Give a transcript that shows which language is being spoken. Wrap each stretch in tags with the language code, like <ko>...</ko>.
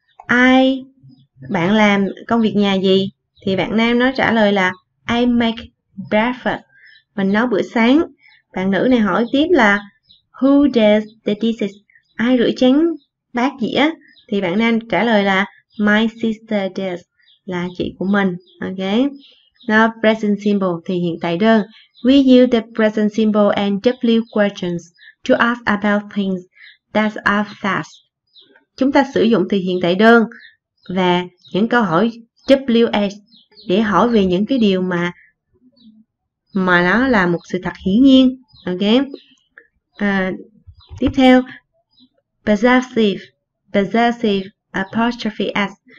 <vi>Ai bạn làm công việc nhà gì? Thì bạn nam nó trả lời là</vi> <en>I make breakfast.</en> <vi>Mình nấu bữa sáng. Bạn nữ này hỏi tiếp là</vi> <en>Who does the dishes?</en> <vi>Ai rửa chén bát dĩa? Thì bạn nam trả lời là</vi> <en>My sister does.</en> <vi>Là chị của mình. Ok.</vi> <en>Now present simple</en> <vi>thì hiện tại đơn.</vi> <en>We use the present simple and W questions to ask about things that are fast.</en> <vi>Chúng ta sử dụng thì hiện tại đơn và những câu hỏi WH để hỏi về những cái điều mà nó là một sự thật hiển nhiên. Ok. Tiếp theo, possessive, possessive apostrophe s.</vi>